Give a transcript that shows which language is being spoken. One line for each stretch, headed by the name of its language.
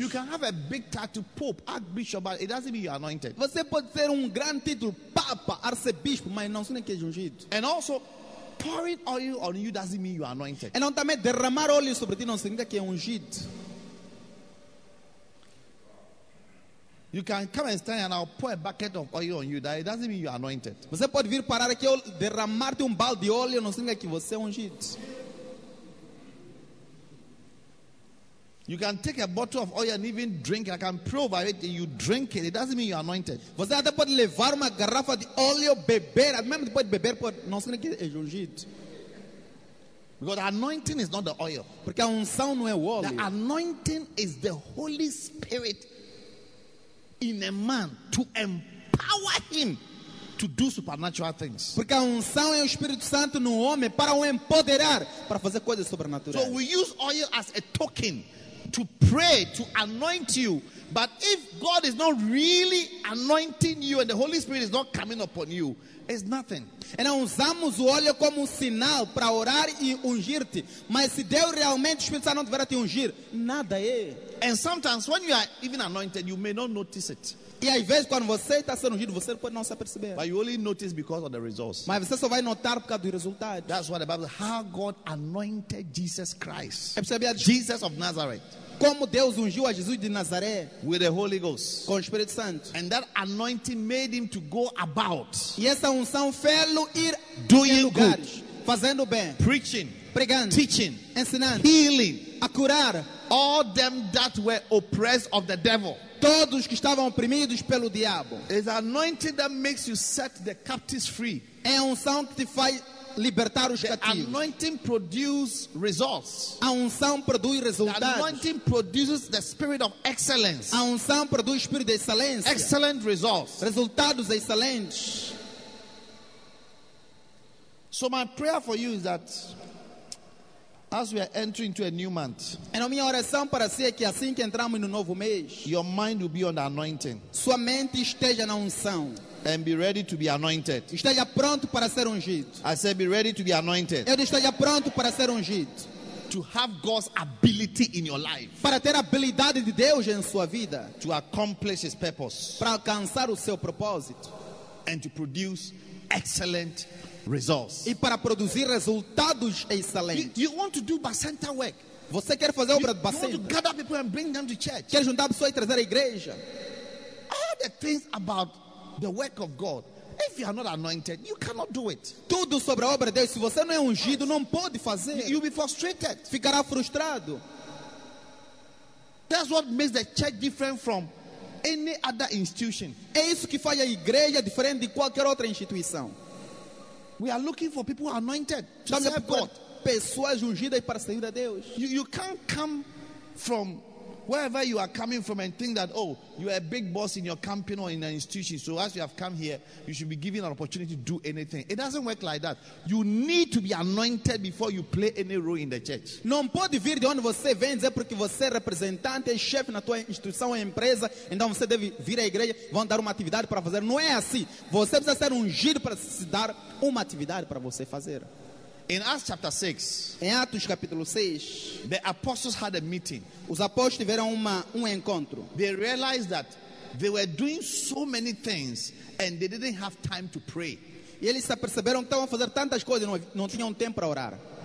English: You can have a big title, Pope, Archbishop, but it doesn't mean you're anointed.
Portuguese: Você pode ter grande título, Papa, Arcebispo, mas não significa que é ungido.
English: And also, pouring oil on you doesn't mean you are anointed.
Portuguese: E não também derramar óleo sobre ti não significa que é ungido.
English: You can come and stand and I'll pour a bucket of oil on you. That doesn't mean you are anointed.
Portuguese: Você pode vir parar aqui derramar-te balde de óleo não significa que você é ungido.
English: You can take a bottle of oil and even drink it. I can prove it. You drink it. It doesn't mean you are anointed.
Portuguese: Você até pode levar uma garrafa de óleo beber. Mesmo depois de beber, não significa que é ungido.
English: Because anointing is not the oil.
Portuguese: Porque a unção não é o óleo.
English: The anointing is the Holy Spirit in a man to empower him to do supernatural things.
Portuguese: Porque a unção é o Espírito Santo no homem para o empoderar para fazer coisas sobrenaturais.
English: So we use oil as a token to pray, to anoint you. But if God is not really anointing you and the Holy Spirit is not coming upon you, it's nothing.
Portuguese: E não usamos o óleo como um sinal para orar e ungir-te. Mas se Deus realmente, o Espírito Santo não tiver a te ungir, nada é.
English: And sometimes when you are even anointed, you may not notice it.
Portuguese: E às vezes quando você está sendo ungido, você pode não se aperceber.
English: But you only notice because of the results.
Portuguese: Mas você só vai notar por causa do resultado.
English: That's what the Bible says. How God anointed Jesus Christ. Jesus of Nazareth.
Portuguese: Como Deus ungiu a Jesus de Nazaré
English: with the Holy Ghost.
Portuguese: Com o Espírito Santo.
English: And that anointing made him to go about.
Portuguese: E essa unção fê-lo ir
English: doing good,
Portuguese: fazendo bem,
English: preaching,
Portuguese: pregando,
English: teaching,
Portuguese: ensinando,
English: healing,
Portuguese: a curar
English: all them that were oppressed of the devil.
Portuguese: Todos que estavam oprimidos pelo diabo.
English: It's anointing that makes you set the captives free.
Portuguese: É a unção que te faz libertar os cativos.
English: The anointing produces results.
Portuguese: A unção produz resultados.
English: The anointing produces the spirit of excellence.
Portuguese: A unção produz espírito de excelência.
English: Excellent results.
Portuguese: Resultados excelentes.
English: So my prayer for you is that as we are entering into a new month,
Portuguese: e a minha oração para si é que assim que entramos no novo mês,
English: your mind will be on the anointing.
Portuguese: Sua mente esteja na unção.
English: And be ready to be anointed.
Portuguese: Esteja pronto para ser ungido.
English: I said, be ready to be anointed.
Portuguese: Eu disse, esteja pronto para ser ungido.
English: To have God's ability in your life.
Portuguese: Para ter a habilidade de Deus em sua vida.
English: To accomplish His purpose.
Portuguese: Para alcançar o seu propósito.
English: And to produce excellent results.
Portuguese: E para produzir resultados excelentes.
English: You want to do bacenta work?
Portuguese: Você quer fazer obra de bacenta?
English: You want to gather people and bring them to church?
Portuguese: Quer juntar pessoas e trazer à igreja?
English: All the things about the work of God. If you are not anointed, you cannot do it.
Portuguese: Tudo sobre a obra de Deus. Se você não é ungido, não pode fazer.
English: You'll be frustrated.
Portuguese: Ficará frustrado.
English: That's what makes the church different from any other institution.
Portuguese: É isso que faz a igreja diferente de qualquer outra instituição.
English: We are looking for people anointed to
Portuguese: estamos
English: serve God.
Portuguese: Pessoas ungidas para servir a Deus.
English: You can't come from wherever you are coming from and think that, oh, you are a big boss in your company or in an institution, so as you have come here, you should be given an opportunity to do anything. It doesn't work like that. You need to be anointed before you play any role in the church.
Portuguese: Não pode vir de onde você vem, dizer porque você é representante, é chefe na tua instituição ou empresa, então você deve vir à igreja, vão dar uma atividade para fazer. Não é assim. Você precisa ser ungido para se dar uma atividade para você fazer.
English: In Acts chapter 6,
Portuguese: em Atos capítulo 6,
English: the apostles had a meeting.
Portuguese: Os apóstolos tiveram um encontro.
English: They realized that they were doing so many things and they didn't have time to pray.
Portuguese: E eles se aperceberam que estavam a fazer tantas coisas e não tinham tempo para orar.